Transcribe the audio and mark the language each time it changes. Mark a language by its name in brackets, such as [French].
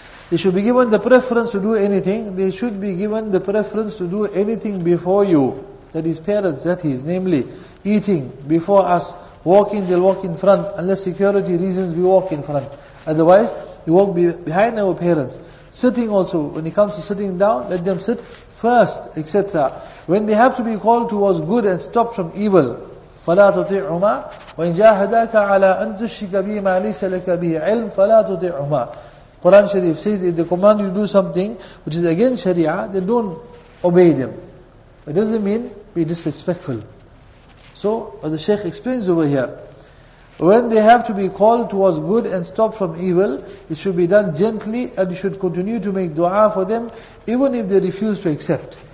[English] They should be given the preference to do anything. They should be given the preference to do anything before you. That is parents, that is, namely, eating before us. Walking, they'll walk in front. Unless security reasons, we walk in front. Otherwise, we walk behind our parents. Sitting also, when it comes to sitting down, let them sit first, etc. When they have to be called towards good and stopped from evil, [Arabic] فَلَا تُطِعْهُمَا وَإِنْ جَاهَدَاكَ عَلَىٰ أَنْ تُشْرِكَ بِهِ مَا لِيسَ لَكَ بِهِ عِلْمٍ فَلَا تُطِعْهُمَا. [English] Quran Sharif says, if they command you to do something which is against Sharia, then don't obey them. It doesn't mean be disrespectful. So, the Shaykh explains over here, when they have to be called towards good and stopped from evil, it should be done gently, and you should continue to make dua for them, even if they refuse to accept.